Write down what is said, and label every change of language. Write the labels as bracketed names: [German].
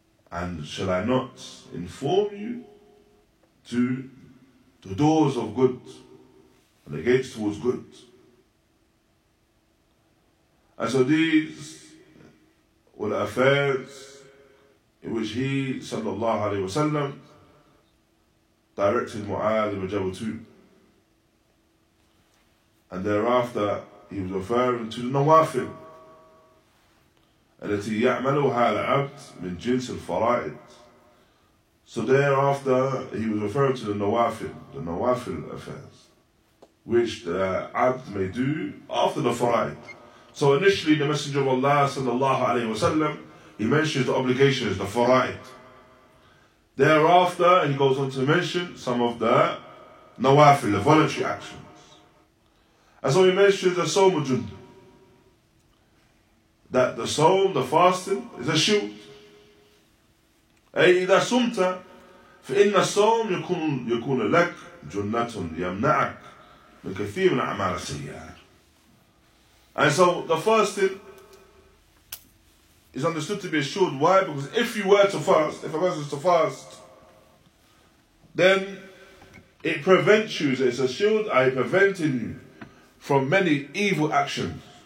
[English] And shall I not inform you to the doors of good and the gates towards good? And so these were the affairs in which he, sallallahu alayhi wa sallam, directed Mu'adh ibn Jabal to. And thereafter, he was referring to the nawafil, [Arabic] التي يعملها العبد من جنس الفرائد. [English] So thereafter, he was referring to the nawafil affairs, which the abd may do after the fara'id. So initially, the Messenger of Allah sallallahu alayhi wa sallam, he mentions the obligations, the fara'id. Thereafter, he goes on to mention some of the nawafil, the voluntary actions. And so he mentions the sawm jund, that the sawm, the fasting, is a shield. [Arabic] أي إذا سمت فإن الصوم يكون لك جنة يمنعك من كثير من أعمال السيئات. [English] And so the fasting is understood to be a shield. Why? Because if you were to fast, if a person is to fast, then it prevents you, it's a shield, I'm preventing you from many evil actions.